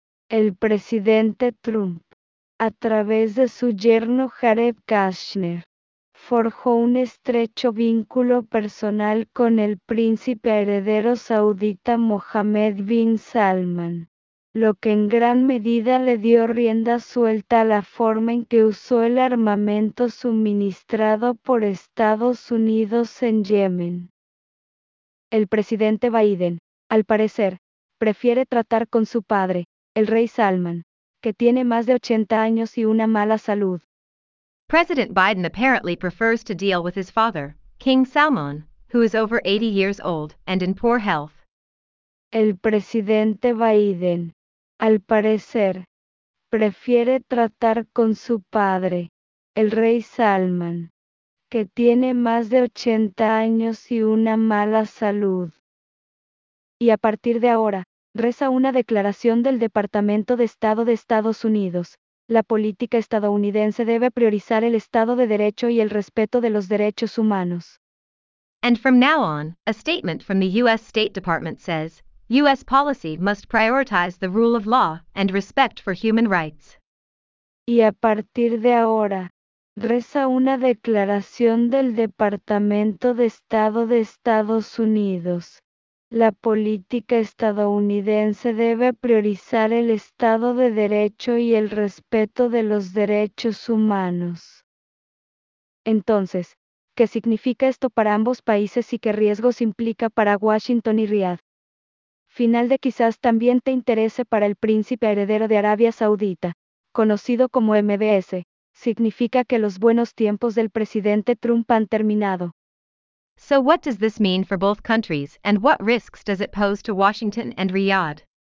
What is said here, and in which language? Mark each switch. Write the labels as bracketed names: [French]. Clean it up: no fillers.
[Spanish] El presidente Trump, a través de su yerno Jared Kushner, forjó un estrecho vínculo personal con el príncipe heredero saudita Mohammed bin Salman, lo que en gran medida le dio rienda suelta a la forma en que usó el armamento suministrado por Estados Unidos en Yemen. El presidente Biden, al parecer, prefiere tratar con su padre, el rey Salman, que tiene más de 80 años y una mala salud. [English] President Biden apparently prefers to deal with his father, King Salman, who is over 80 years old and in poor health. [Spanish] El presidente Biden, al parecer, prefiere tratar con su padre, el rey Salman, que tiene más de 80 años y una mala salud. Y a partir de ahora, reza una declaración del Departamento de Estado de Estados Unidos: la política estadounidense debe priorizar el Estado de Derecho y el respeto de los derechos humanos. [English] And from now on, a statement from the U.S. State Department says, U.S. policy must prioritize the rule of law and respect for human rights. [Spanish] Y a partir de ahora, reza una declaración del Departamento de Estado de Estados Unidos: la política estadounidense debe priorizar el Estado de Derecho y el respeto de los derechos humanos. Entonces, ¿qué significa esto para ambos países y qué riesgos implica para Washington y Riyadh? Final de quizás también te interese para el príncipe heredero de Arabia Saudita, conocido como MBS. Significa que los buenos tiempos del presidente Trump han terminado. [English] So what does this mean for both countries and what risks does it pose to Washington and Riyadh?